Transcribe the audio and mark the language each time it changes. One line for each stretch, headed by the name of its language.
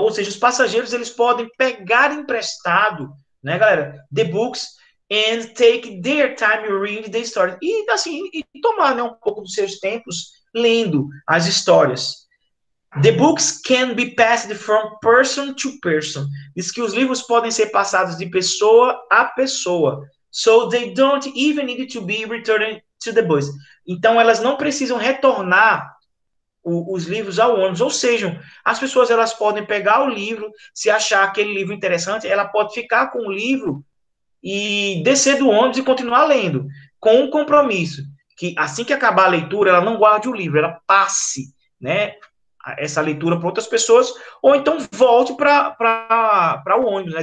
Portuguese: Ou seja, os passageiros, eles podem pegar emprestado, né, galera?
English: The books and take their time reading the story.
Portuguese: E, assim, e tomar, né, um pouco dos seus tempos lendo as histórias.
English: The books can be passed from person to person.
Portuguese: Diz que os livros podem ser passados de pessoa a pessoa.
English: So they don't even need to be returned to the bus.
Portuguese: Então, elas não precisam retornar os livros ao ônibus. Ou seja, as pessoas elas podem pegar o livro, se achar aquele livro interessante, ela pode ficar com o livro e descer do ônibus e continuar lendo. Com um compromisso, que assim que acabar a leitura, ela não guarde o livro, ela passe, né, essa leitura para outras pessoas, ou então volte para o ônibus, né?